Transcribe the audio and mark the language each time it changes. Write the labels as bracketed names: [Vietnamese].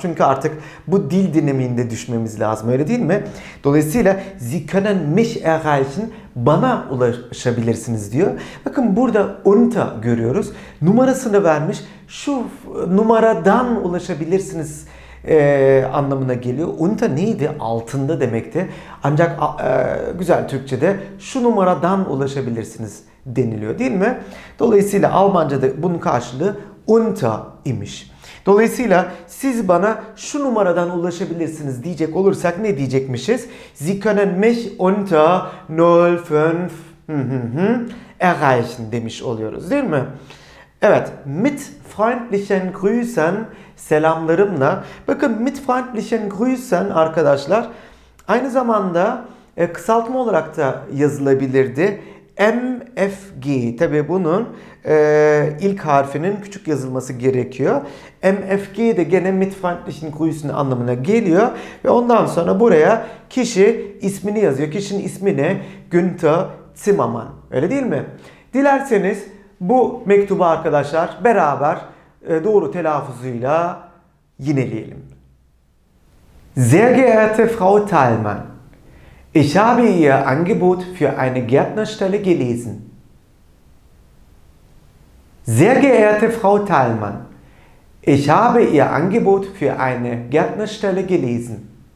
[Turkish] Çünkü artık bu dil dinamiğinde düşmemiz lazım. Öyle değil mi? Dolayısıyla [German] Sie können mich erreichen. [Turkish] Bana ulaşabilirsiniz diyor. Bakın burada unta görüyoruz. Numarasını vermiş. Şu numaradan ulaşabilirsiniz anlamına geliyor. Unta neydi? Altında demekti. Ancak güzel Türkçe'de şu numaradan ulaşabilirsiniz deniliyor değil mi? Dolayısıyla Almanca'da bunun karşılığı unta imiş. Dolayısıyla siz bana şu numaradan ulaşabilirsiniz diyecek olursak ne diyecekmişiz? [German] Sie können mich unter 05 erreichen [Turkish] demiş oluyoruz değil mi? Evet, [German] mit freundlichen Grüßen, [Turkish] selamlarımla. Bakın [German] mit freundlichen Grüßen [Turkish] arkadaşlar aynı zamanda kısaltma olarak da yazılabilirdi. MFG. Tabi bunun ilk harfinin küçük yazılması gerekiyor. MFG de gene [German] mit freundlichen Grüßen [Turkish] anlamına geliyor. Ve ondan sonra buraya kişi ismini yazıyor. Kişinin ismi ne? Günther Zimmermann. Öyle değil mi? Dilerseniz bu mektubu arkadaşlar beraber doğru telaffuzuyla yineleyelim. [German] Sehr geehrte Frau Thalmann, ich habe Ihr Angebot für eine Gärtnerstelle gelesen. Sehr geehrte Frau Thalmann, ich habe Ihr Angebot für eine Gärtnerstelle gelesen.